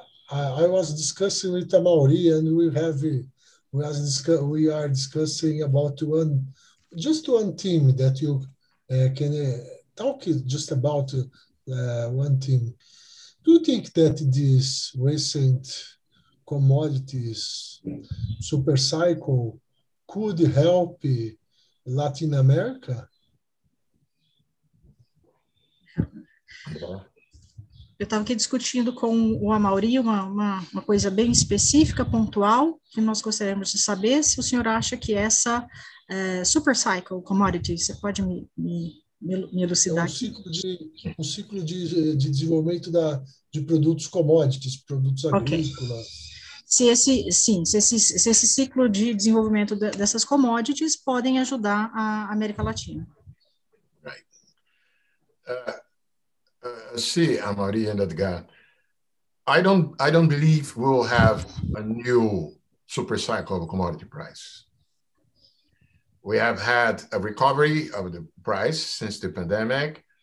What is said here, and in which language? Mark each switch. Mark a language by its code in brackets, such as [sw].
[en] I was discussing with Tamauri, and we are discussing about one team that you can talk just about one team. Do you think that this recent commodities super cycle could help Latin America? [pt] Eu estava aqui discutindo com o Amaury uma coisa bem específica, pontual, que nós gostaríamos de saber se o senhor acha que essa super cycle commodity, você pode me elucidar aqui? Um ciclo de desenvolvimento de produtos commodities, produtos agrícolas. Okay. Se esse ciclo de desenvolvimento dessas commodities podem ajudar a América Latina. Right. [en] See, Amaury and Edgar, I don't believe we'll have a new super cycle of commodity price. We have had a recovery of the price since the pandemic.